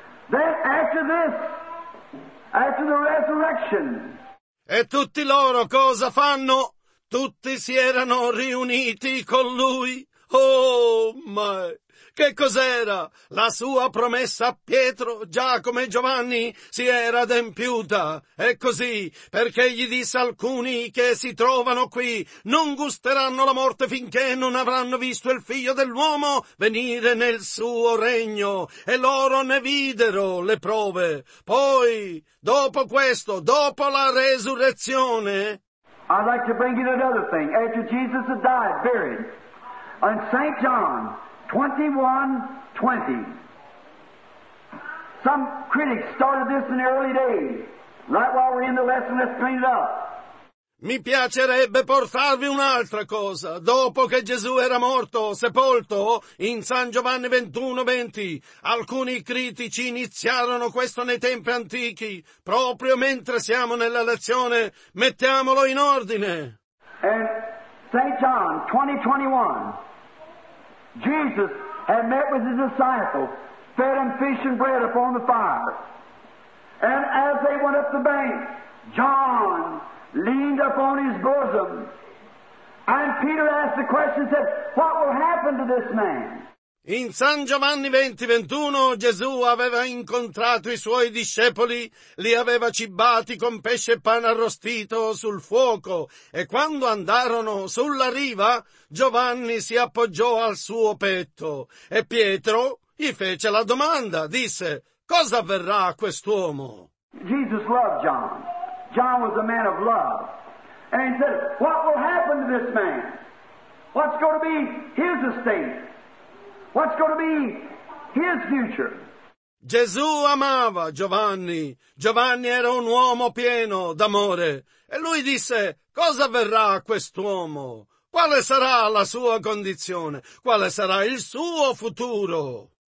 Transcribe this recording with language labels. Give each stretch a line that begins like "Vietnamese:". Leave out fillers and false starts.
English: Then after this, after the resurrection.
Italian: E tutti loro cosa fanno? Tutti si erano riuniti con lui. Oh, ma che cos'era? La sua promessa a Pietro, Giacomo e Giovanni si era adempiuta. E così, perché gli disse alcuni che si trovano qui, non gusteranno la morte finché non avranno visto il figlio dell'uomo venire nel suo regno. E loro ne videro le prove. Poi, dopo questo, dopo la resurrezione...
English: I'd like to bring you another thing. After Jesus had died, buried, on St. John 21:20, some critics started this in the early days, right while we're in the lesson, let's clean it up.
Italian: Mi piacerebbe portarvi un'altra cosa. Dopo che Gesù era morto, sepolto, in San Giovanni 21:20, alcuni critici iniziarono questo nei tempi antichi. Proprio mentre siamo nella lezione, mettiamolo in ordine.
English: And St. John 20:21, Jesus had met with his disciples, fed them fish and bread upon the fire. And as they went up the bank, John leaned upon his bosom. And Peter asked the question, said, what will happen to this man?
Italian: In San Giovanni 20:21 Gesù aveva incontrato i suoi discepoli, li aveva cibati con pesce e pane arrostito sul fuoco, e quando andarono sulla riva, Giovanni si appoggiò al suo petto, e Pietro gli fece la domanda, disse, cosa avverrà a quest'uomo?
English: Jesus loved John. John was a man of love. And he said, what will happen to this man? What's going to be his estate? What's going to be his future?
Italian: Gesù amava Giovanni. Giovanni era un uomo pieno d'amore. E lui disse, cosa avverrà a quest'uomo? Quale sarà la sua condizione? Quale sarà il suo futuro?